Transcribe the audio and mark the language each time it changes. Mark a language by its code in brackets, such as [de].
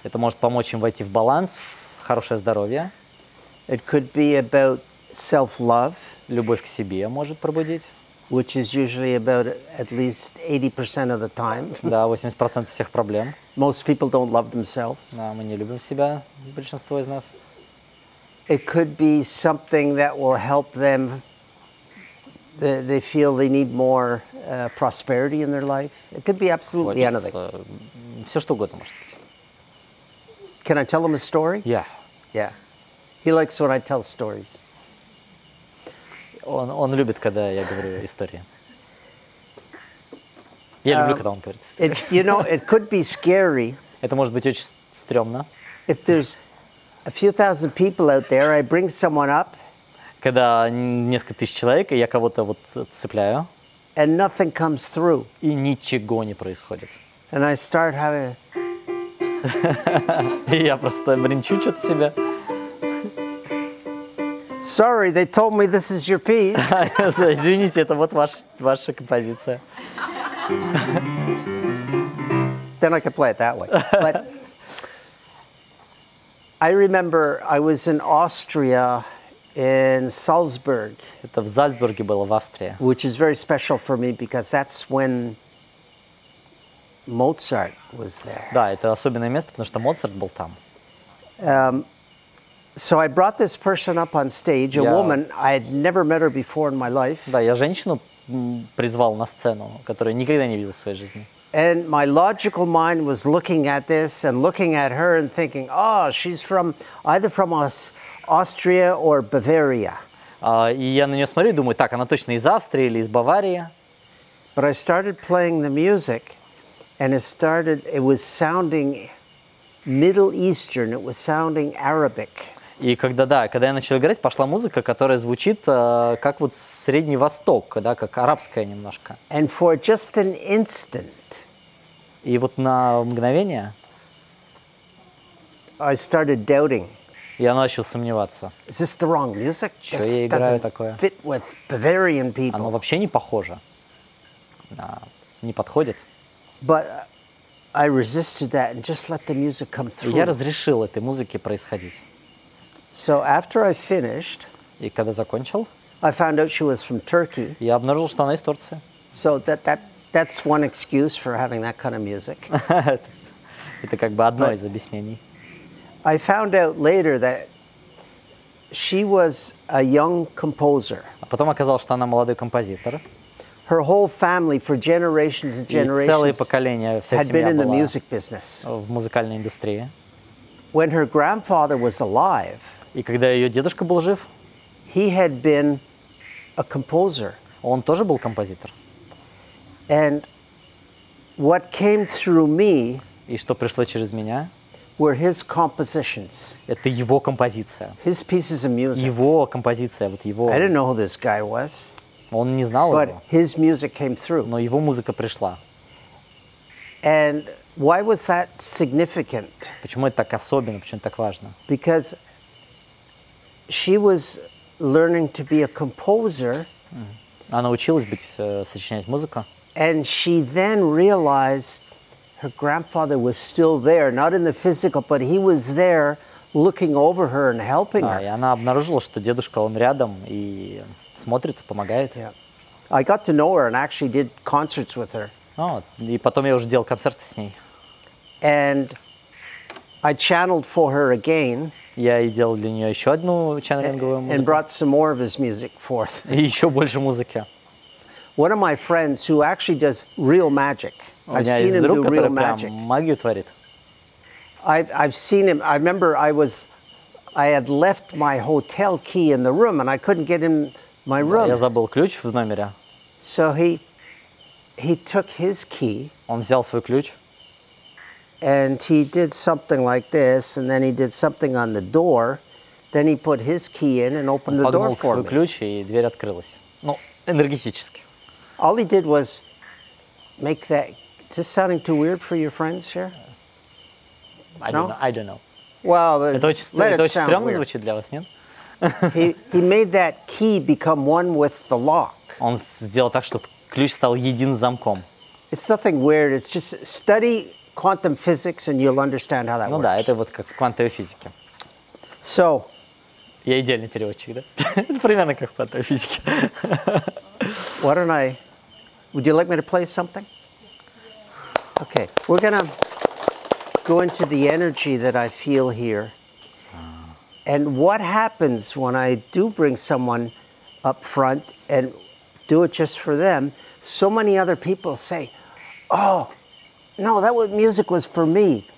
[ru] Это может помочь им войти в баланс, в хорошее здоровье. [en] It could be about self-love. [ru] Любовь к себе может пробудить. [en] Which is usually about at least 80% of the time. [ru] Да, 80% всех проблем. [en] Most people don't love themselves. [ru] Да, мы не любим себя, большинство из нас. [en] It could be something that will help them. They feel they need more prosperity in their life. It could be absolutely anything. [ru] Все что угодно может быть. [en] Can I tell him a story? Yeah. Yeah. He likes when I tell stories. [ru] Он любит, когда я говорю истории. Я люблю, когда он говорит истории. [en] You know, it could be scary. [ru] Это может быть очень стрёмно. [en] If there's a few thousand people out there, I bring someone up. [ru] Когда несколько тысяч человек, и я кого-то вот цепляю. [en] And nothing comes through. [ru] И ничего не происходит. [en] And I start having... [ru] И я просто бренчу что-то себе. [en] Sorry, they told me this is your piece. [ru] Извините, это вот ваша композиция. [en] Then I could play it that way. But I remember I was in Austria in Salzburg. [ru] Это в Зальцбурге было, в Австрии. [en] Which is very special for me because that's when Mozart was there. [ru] Да, это особенное место, потому что Моцарт был там. [en] So I brought this person up on stage, a woman I had never met her before in my life. [ru] Да, я женщину призвал на сцену, которую никогда не видел в своей жизни. [en] And my logical mind was looking at this and looking at her and thinking, oh, she's from either from Austria or Bavaria. [ru] И я на нее смотрю и думаю, так, она точно из Австрии или из Баварии. [en] But I started playing the music, and it was sounding Middle Eastern. It was sounding Arabic. [ru] И когда я начал играть, пошла музыка, которая звучит как вот Средний Восток, да, как арабская немножко. [en] And for just an instant, [ru] и вот на мгновение [en] I started doubting. [ru] Я начал сомневаться. [en] Is this the wrong music? [ru] Что я играю такое? [en] Fit with Bavarian people. [ru] Оно вообще не похоже. Не подходит. [en] But I resisted that and just let the music come through. [ru] Я разрешил этой музыке происходить. [en] So after I finished, [ru] и когда закончил, [en] I found out she was from Turkey. [ru] Я обнаружил, что она из Турции. [en] So that's one excuse for having that kind of music. [ru] Это как бы одно из объяснений. [en] I found out later that she was a young composer. [ru] А потом оказалось, что она молодой композитор. [en] Her whole family for generations and generations. [ru] И целые поколения, вся семья [en] had been in the music business. [ru] В музыкальной индустрии. [en] When her grandfather was alive, [ru] и когда ее дедушка был жив, [en] he had been a composer. [ru] Он тоже был композитор. [en] And what came through me, [ru] и что пришло через меня, [en] were his compositions. [ru] Это его композиция. [en] His pieces of music. [ru] Его композиция, вот его. [en] I didn't know who this guy was. [ru] Он не знал [en] But [ru] его. [en] His music came through. [ru] Но его музыка пришла. [en] And why was that significant? [ru] Почему это так особенно? Почему это так важно? [en] Because she was learning to be a composer. [ru] Она училась быть сочинять музыку. [en] And she then realized her grandfather was still there, not in the physical, but he was there looking over her and helping her. [ru] И она обнаружила, что дедушка он рядом и смотрит, помогает. [en] Yeah. I got to know her and actually did concerts with her. [ru] О, и потом я уже делал концерты с ней. [en] And I channeled for her again. [ru] Я и делал для нее еще одну ченнелинговую музыку. [en] And brought some more of his music forth. [ru] И еще больше музыки. [en] One of my friends who actually does real magic. I've seen him [ru] друг, [en] do real magic. [ru] Магию творит. [en] I've seen him. I remember I had left my hotel key in the room and I couldn't get in my room. [ru] Да, я забыл ключ в номере. [en] So he took his key. [ru] Он взял свой ключ. [en] And he did something like this, and then he did something on the door. Then he put his key in and opened the door for me. [ru] Подмог свой ключ, и дверь открылась. Ну, энергетически. [en] All he did was make that... Is this sounding too weird for your friends here? I don't know. Well, [ru] Это очень стрёмно звучит для вас, нет? [en] He made that key become one with the lock. [ru] Он сделал так, чтобы ключ стал един с замком. [en] It's nothing weird, it's just study... Quantum physics, and you'll understand how that works. [ru] Ну да, это вот как в квантовой физике. [en] So, [ru] я идеальный переводчик, да? Примерно как в квантовой физике. [en] Why don't I? Would you like me to play something? Okay, we're gonna go into the energy that I feel here. And what happens when I do bring someone up front and do it just for them? So many other people say, "Oh." No, that was, music was for me.